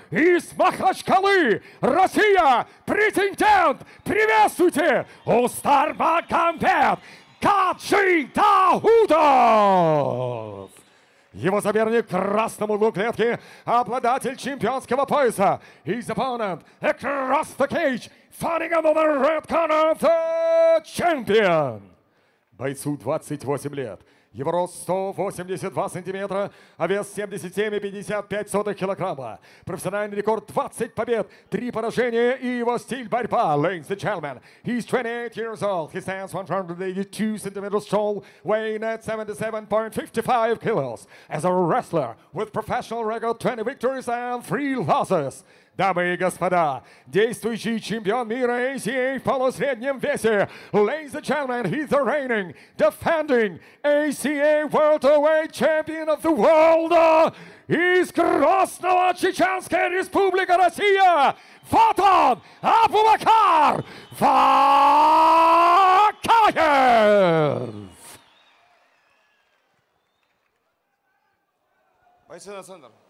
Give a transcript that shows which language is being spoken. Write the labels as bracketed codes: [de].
[ru] Из Махачкалы, Россия, претендент. Приветствуйте, Устар Магомед Каджи Даутов! Его соперник в красном углу клетки, обладатель чемпионского пояса. [en] His opponent across the cage, fighting him over the red corner, the champion! [ru] Бойцу 28 лет. Его рост 182 сантиметра, а вес 77,55 килограмма. Профессиональный рекорд 20 побед, 3 поражения и его стиль — борьба. [en] Ladies and gentlemen, he's 28 years old. He stands 182 centimeters tall, weighing at 77.55 kilos. As a wrestler with professional record 20 victories and 3 losses. [ru] Дамы и господа, действующий чемпион мира ACA в полусреднем весе. [en] Ladies and gentlemen, he's the reigning, defending ACA Welterweight Champion of the World. [ru] Из Красного Чеченской Республики Россия. Вот он, Абубакар Вакаев. Бойцы на центр.